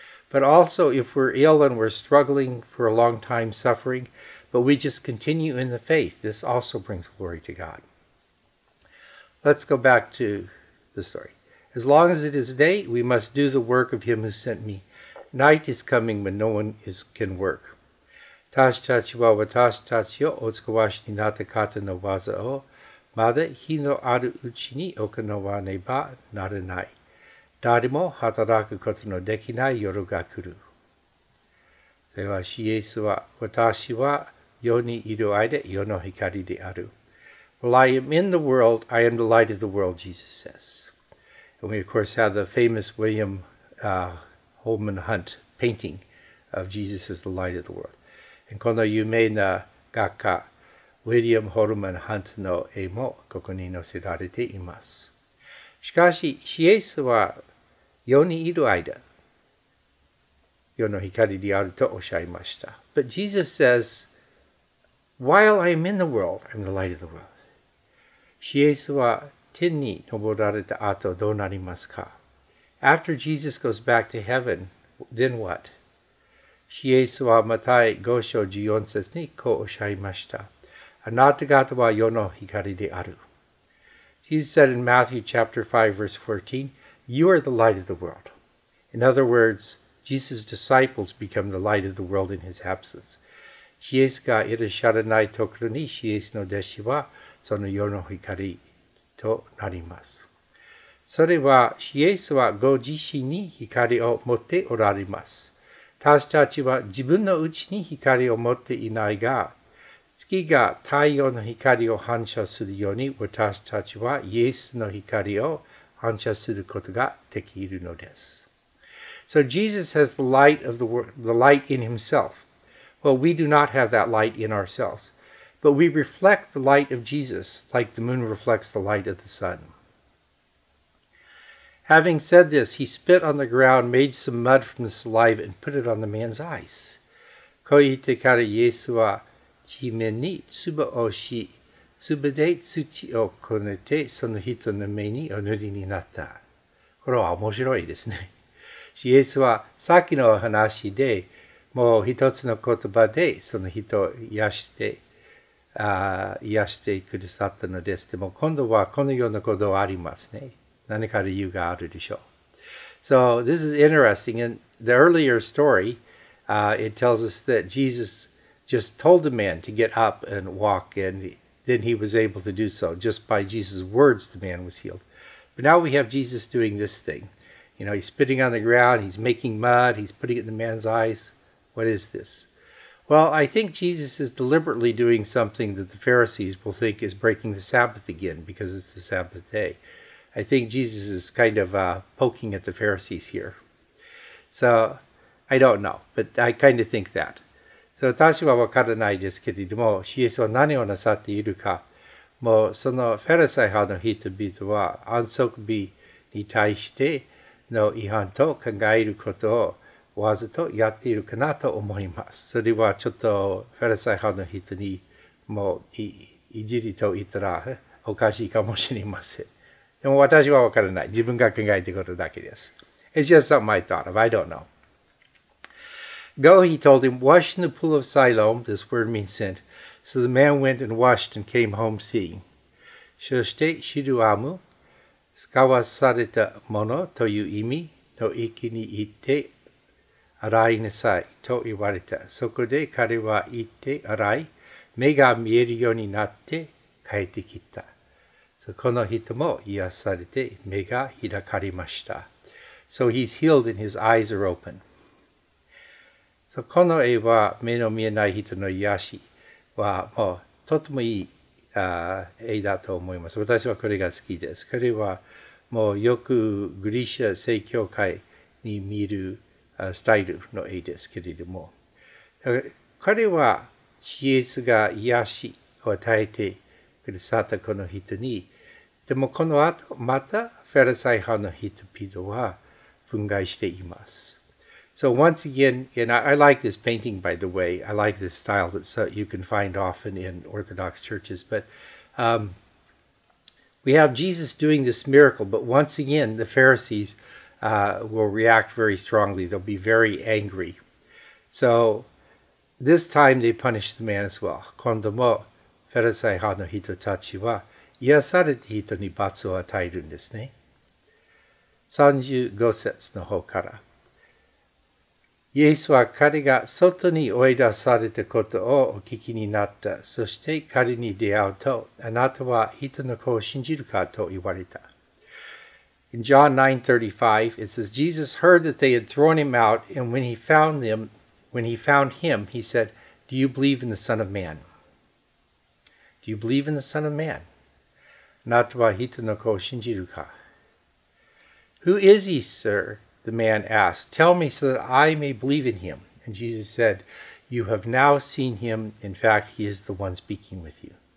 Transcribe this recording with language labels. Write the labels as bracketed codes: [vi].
[en] But also, if we're ill and we're struggling for a long time suffering,But we just continue in the faith. This also brings glory to God. Let's go back to the story. As long as it is day, we must do the work of him who sent me. Night is coming when no one can work. [ja] 私たちは私たちをお使わしになった方の技をまだ日のあるうちに行わねばならない。誰も働くことのできない夜が来る。では、イエスは、私は世にいる間、世の光である。 [en] Well, I am in the world, I am the light of the world, Jesus says. And we, of course, have the famous William Holman Hunt painting of Jesus as the light of the world. [ja] And この有名な画家、William Holman Hunt の絵もここに載せられています。しかし、イエスは世にいる間、世の光であるとおっしゃいました。 [en] But Jesus says, while I am in the world, I'm the light of the world. [ja] イエスは天に昇られた後どうなりますか？ [en] After Jesus goes back to heaven, then what? [ja] イエスはマタイ5章14節にこうおっしゃいました。あなた方は世の光である。 [en] Jesus said in Matthew chapter 5 verse 14, you are the light of the world. In other words,Jesus' disciples become the light of the world in his absence. [ja] イエスがいらっしゃらないところに、イエスの弟子はその世の光となります。それは、イエスはご自身に光を持っておられます。私たちは自分のうちに光を持っていないが、月が太陽の光を反射するように、私たちはイエスの光を反射することができるのです。 [en] So Jesus has the light of the world, the light in himself. Well, we do not have that light in ourselves, but we reflect the light of Jesus like the moon reflects the light of the sun. Having said this, he spit on the ground, made some mud from the saliva, and put it on the man's eyes. [ja] こう言ってからイエスは地面に唾をし、唾で土をこねてその人の目にお塗りになった。これは面白いですね。イエスはさっきの話でもう一つの言葉でその人を癒してくださったのです。でも今度はこのようなことはありますね。何か理由があるでしょう。 [en] So this is interesting. In the earlier story, it tells us that Jesus just told the man to get up and walk, and then he was able to do so. Just by Jesus' words, the man was healed. But now we have Jesus doing this thing. You know, he's spitting on the ground, he's making mud, he's putting it in the man's eyes. What is this? Well, I think Jesus is deliberately doing something that the Pharisees will think is breaking the Sabbath again, because it's the Sabbath day. I think Jesus is kind of poking at the Pharisees here. So, I don't know, but I kind of think that. [ja] So, 私はわからないですけれども、イエスは何をなさっているか。もうそのフェルサイ派の人々は安息日に対しての違反と考えることをわざとやっているかなと思います。それはちょっとフェルサイ派の人にもう いじりと言ったらおかしいかもしれません。でも私はわからない。自分が考えていることだけです。 [en] It's just something I thought of. I don't know. Go, he told him, wash in the pool of Siloam. This word means sent. So the man went and washed and came home seeing. [ja] そしてシルアム、使わされたものという意味の域に行って洗いなさいと言われた。そこで彼は行って洗い、目が見えるようになって帰ってきた。 So この人も癒されて目が開かれました。 [en] So he's healed and his eyes are open. [ja] So この絵は目の見えない人の癒しはもうとてもいい絵だと思います。私はこれが好きです。これはもうよくギリシャ正教会に見るスタイルの絵ですけれども。彼はイエスが癒しを与えてくださったこの人に、でもこの後またフェルサイ派の人々は憤慨しています。 [en] So once again, and I like this painting, by the way. I like this style that you can find often in Orthodox churches. But we have Jesus doing this miracle. But once again, the Pharisees will react very strongly. They'll be very angry. So this time they punish the man as well. [ja] 今度もフェルサイ派の人たちは癒された人に罰を与えるんですね。 35節の方から。イエスは彼が外に追い出されたことをお聞きになった。そして彼に出会うと、あなたは人の子を信じるかと言われた。 [en] In John 9:35, it says, Jesus heard that they had thrown him out, and when he found him, he said, Do you believe in the Son of Man? Do you believe in the Son of Man? [ja] あなたは人の子を信じるか。 [en] Who is he, sir? The man asked, Tell me so that I may believe in him. And Jesus said, You have now seen him. In fact, he is the one speaking with you.